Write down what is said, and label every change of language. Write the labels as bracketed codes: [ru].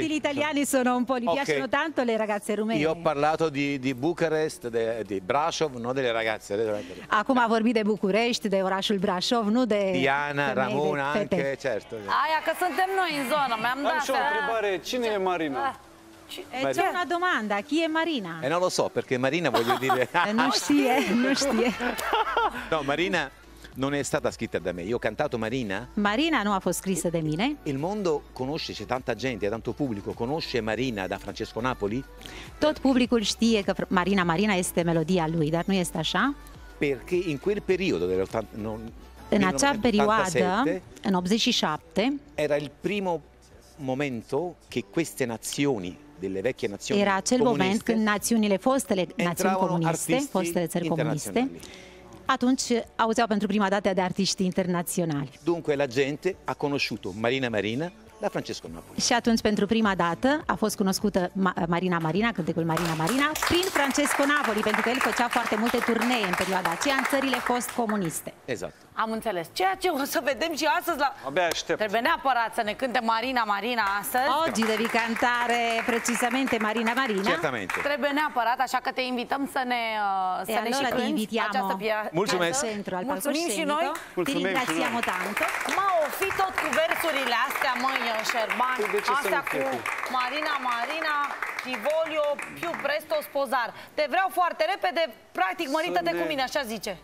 [it] Tutti gli italiani sono un po', piacciono tanto le ragazze rumene. Io ho parlato di Bucarest, di Brașov, non delle ragazze. [ro] Acum a vorbit de București, de orașul Brașov, nu de... Diana, femei, Ramona, de anche, certo. Aia, că suntem noi în zonă, mi-am dat... Am și o întrebare, cine e Marina? [it] C'è una domanda, chi è Marina? Non lo so, perché Marina voglio dire... [ro] non stie, non stie. [it] No, Marina... Non è stata scritta da me, io ho cantato Marina. Marina non ha fu scritta da me. Il mondo conosce, c'è tanta gente, tanto pubblico, conosce Marina da Francesco Napoli? [ro] Tot publicul știe că Marina este melodia lui, dar nu este așa? [it] Perché in quel periodo, [ro] în acea perioadă, în 87, [it] era il primo momento che queste nazioni, delle vecchie nazioni, [ro] era acel moment când națiunile fostele națiuni comuniste, fostele țări comuniste, atunci auzeau pentru prima dată de artiști internaționali. [it] Dunque la gente ha conosciuto Marina Marina da Francesco Napoli. [ro] Și atunci pentru prima dată a fost cunoscută Marina Marina, cântecul Marina Marina, prin Francesco Napoli, pentru că el făcea foarte multe turnee în perioada aceea în țările post comuniste. Exact. Am înțeles. Ceea ce o să vedem și astăzi la... Abia aștept. Trebuie neapărat să ne cânte Marina Marina astăzi. [it] Oggi devi cantare precisamente Marina Marina. Certamente. [ro] Trebuie neapărat, așa că te invităm să ne să ne [it] allora [ro] și cânti această piață. Mulțumesc. Mulțumim și noi. Mulțumim și noi. M-a ofit tot cu versurile astea, măi, Șerban. Astea cu Marina Marina. [it] Ti voglio più presto sposar. [ro] Te vreau foarte repede, practic mărită-te cu mine, așa zice.